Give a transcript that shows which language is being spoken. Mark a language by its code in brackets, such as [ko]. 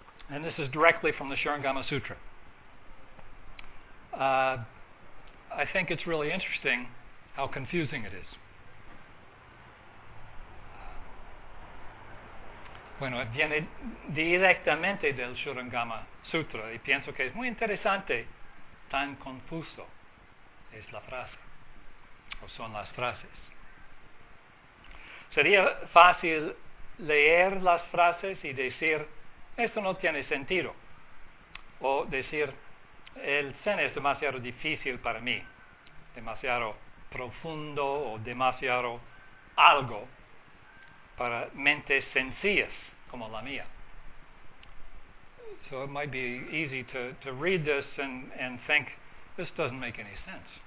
[en] And this is directly from the Sharingama Sutra. I think it's really interesting how confusing it is. [es] Bueno, viene directamente del Sharingama Sutra y pienso que es muy interesante. Tan confuso es la frase, o son las frases. Sería fácil leer las frases y decir, esto no tiene sentido, o decir, el Zen es demasiado difícil para mí, demasiado profundo o demasiado algo para mentes sencillas como la mía. [en] So it might be easy to read this and think, this doesn't make any sense.